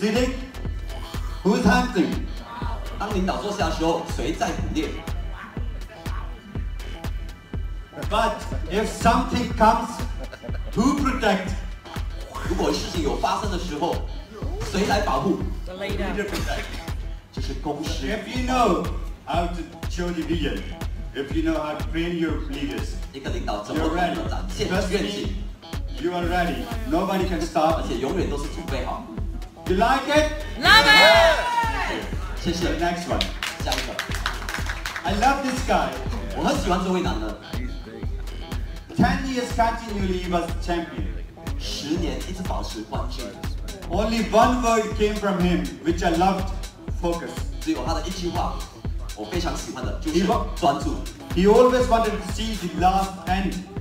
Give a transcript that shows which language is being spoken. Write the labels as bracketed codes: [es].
[en] sitting. Who's hunting? [zh] 当领导坐下的时候，谁在捕猎？ [en] But if something comes, who protect? [zh] 如果事情有发生的时候，谁来保护？ [en] The leader protect. [zh] 这是公司。 [en] If you know how to show the vision, if you know how to train your leaders, [zh] 一个领导怎么能够展现愿景？ [en] You are ready. Nobody can stop. [zh] 而且永远都是准备好。 [en] You like it? Love it! [zh] 谢谢。 [en] The next one. [zh] 下一个。 [en] I love this guy. [zh] 我很喜欢这位男的。 [en] 10 years continually he was champion. [zh] 10年一直保持冠军。 [en] Only one word came from him, which I loved. Focus. [zh] 只有他的一句话，我非常喜欢的，就是专注。 [en] He always wanted to see the last end.